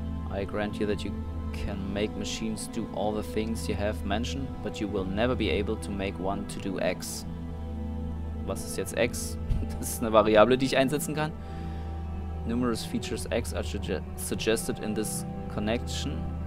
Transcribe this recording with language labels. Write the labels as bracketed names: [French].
[English] I grant you that you can make machines do all the things you have mentioned, but you will never be able to make one to do X. [German] Was ist jetzt X? Das ist eine Variable, die ich einsetzen kann. [English] Numerous features X are suggested in this connection.